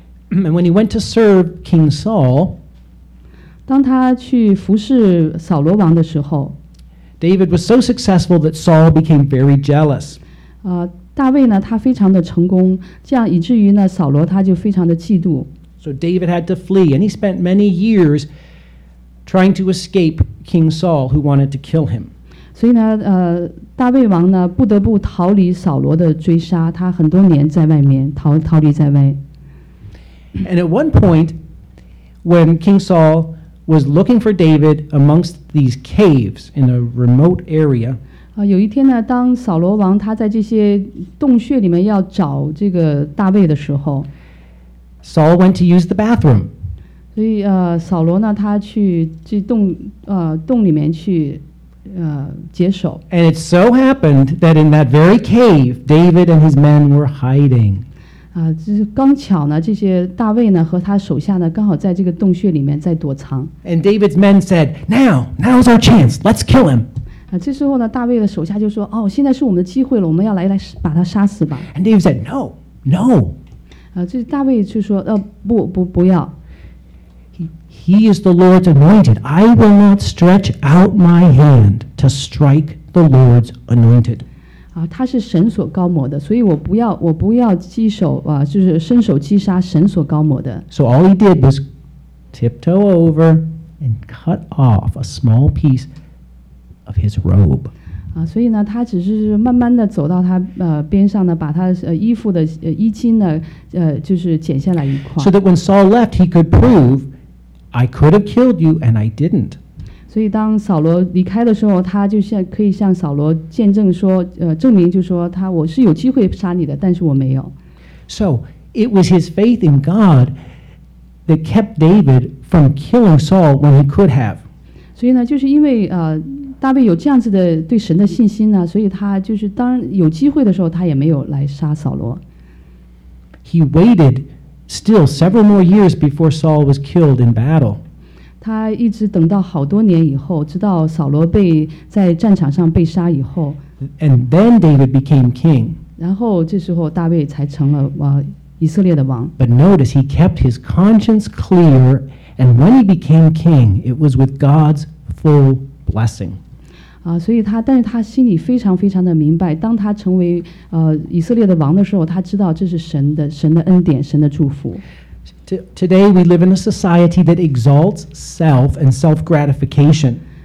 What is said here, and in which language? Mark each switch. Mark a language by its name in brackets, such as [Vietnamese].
[English] And when he went to serve King Saul, [Chinese] 当他去服侍扫罗王的时候 [English] ，David was so successful that Saul became very jealous. [Chinese] 大卫呢他非常的成功，这样以至于呢扫罗他就非常的嫉妒。 [English] So David had to flee, and he spent many years. Trying to escape King Saul, who wanted to kill him. [Chinese] 所以呢，大卫王呢不得不逃离扫罗的追杀。他很多年在外面逃离在外。 [English] And at one point, when King Saul was looking for David amongst these caves in a remote area, [Chinese] 有一天呢，当扫罗王他在这些洞穴里面要找这个大卫的时候 [English] ，Saul went to use the bathroom. [Chinese] 所以扫罗呢他去这洞里面去解手。 [English] And it so happened that in that very cave, David and his men were hiding. [Chinese] 就是刚巧呢这些大卫呢和他手下呢刚好在这个洞穴里面在躲藏。 [English] And David's men said, now's our chance, let's kill him. [Chinese] 这时候呢大卫的手下就说哦现在是我们的机会了我们要来把他杀死吧。 [English] And David said, no. [Chinese] 这大卫就说不要。 [English] He is the Lord's anointed. I will not stretch out my hand to strike the Lord's anointed. [Chinese] 他是神所膏抹的，所以我不要击手就是伸手击杀神所膏抹的。 [English] So all he did was tiptoe over and cut off a small piece of his robe. [Chinese] 所以呢，他只是慢慢的走到他边上呢，把他衣服的衣襟呢就是剪下来一块。 [English] So that when Saul left, he could prove. I could have killed you, and I didn't. [Chinese] 所以当扫罗离开的时候，他就像可以向扫罗见证说，证明就说他我是有机会杀你的，但是我没有。 [English] So it was his faith in God that kept David from killing Saul when he could have. [Chinese] 所以呢，就是因为大卫有这样子的对神的信心呢，所以他就是当有机会的时候，他也没有来杀扫罗。 [English] He waited. Still, several more years before Saul was killed in battle. [Chinese] 他一直等到好多年以后，直到扫罗被在战场上被杀以后。 [English] And then David became king. [Chinese] 然后这时候大卫才成了以色列的王。 [English] But notice he kept his conscience clear, and when he became king, it was with God's full blessing. [Chinese] 所以他，但是他心里非常非常的明白，当他成为以色列的王的时候，他知道这是神的恩典，神的祝福。 [English] Today we live in a society that exalts self and self-gratification.